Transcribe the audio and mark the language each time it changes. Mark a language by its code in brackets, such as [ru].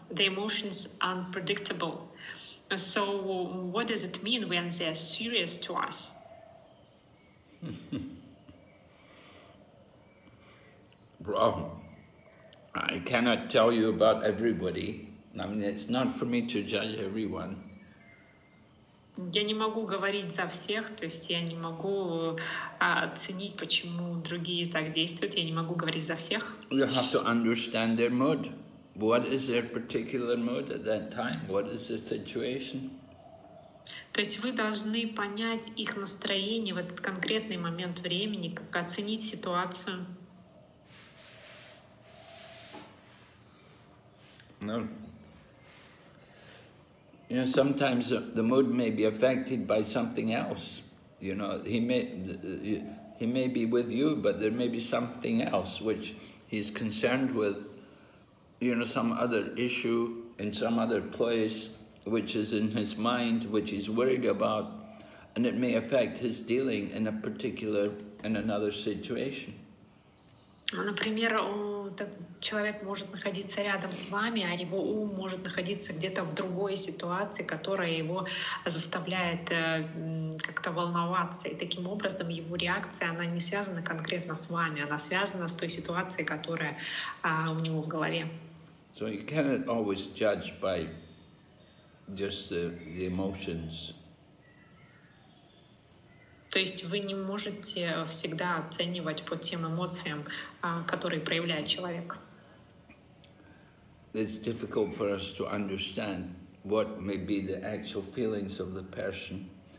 [en] The emotions are unpredictable. So what does it mean when they are serious to us? Well, I cannot tell you about everybody. I mean, it's not for me to judge everyone. [ru] Я не могу говорить за всех, то есть я не могу оценить, почему другие так действуют. Я не могу говорить за всех. [en] You have to understand their mood. What is their particular mood at that time? What is the situation? [ru] То есть вы должны понять их настроение в этот конкретный момент времени, как оценить ситуацию. [en] No. You know, sometimes the mood may be affected by something else. You know, he may be with you, but there may be something else which he's concerned with. You know, some other issue in some other place, which is in his mind, which he's worried about, and it may affect his dealing in a particular, in another situation. [ru] Например, человек может находиться рядом с вами, а его ум может находиться где-то в другой ситуации, которая его заставляет как-то волноваться. И таким образом его реакция, она не связана конкретно с вами, она связана с той ситуацией, которая у него в голове. [en] So you cannot always judge by just the emotions. [ru] То есть вы не можете всегда оценивать по тем эмоциям, которые проявляет человек. [en] It's difficult for us to understand what may be the actual feelings of the person.